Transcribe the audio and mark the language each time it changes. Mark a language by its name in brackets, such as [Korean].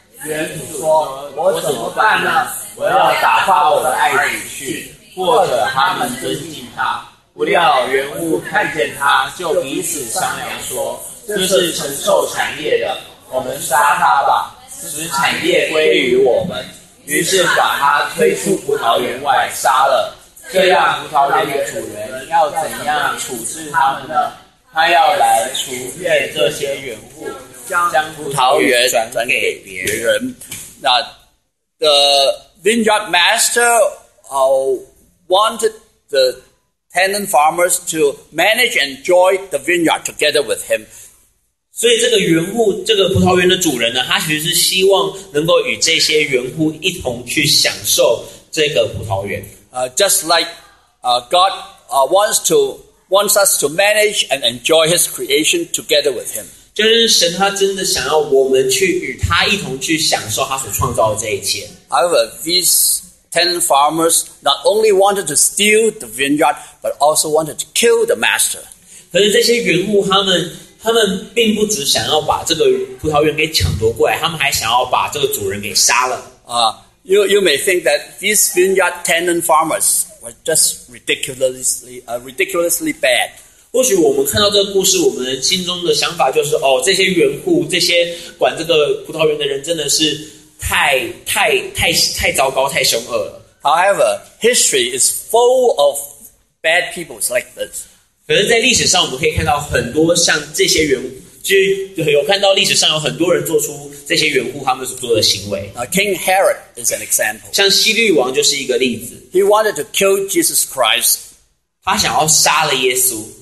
[Chinese] 园主说我怎么办呢我要打发我的爱子去或者他们尊敬他不料园户看见他就彼此商量说这是承受产业的我们杀他吧使产业归于我们于是把他推出葡萄园外杀了这样葡萄园的主人要怎样处置他们呢他要来除灭这些园户将葡萄园转给别人 [English] 那 The vineyard master wanted the tenant farmers to manage and enjoy the vineyard together with him [Chinese] 所以这个园户这个葡萄园的主人呢他其实是希望能够与这些园户一同去享受这个葡萄园 [English] Just like God wants us to manage and enjoy His creation together with Him. [Chinese] 就是神他真的想要我们去与他一同去享受他所创造的这一切。 [English] However, these ten farmers not only wanted to steal the vineyard, but also wanted to kill the master. [Chinese] 可是这些园户他们并不只想要把这个葡萄园给抢夺过来，他们还想要把这个主人给杀了啊。 [English] You may think that these vineyard tenant farmers were just ridiculously bad. [Chinese] 或许我们看到这个故事，我们心中的想法就是，哦，这些园户，这些管这个葡萄园的人，真的是太糟糕，太凶恶了。 [English] However, history is full of bad people like this. [Chinese] 可是，在历史上，我们可以看到很多像这些园户。就有看到历史上有很多人做出这些缘故他们所做的行为。 [English] King Herod is an example. [Chinese] 像希律王就是一个例子。 [English] He wanted to kill Jesus Christ. [Chinese] 他想要杀了耶稣。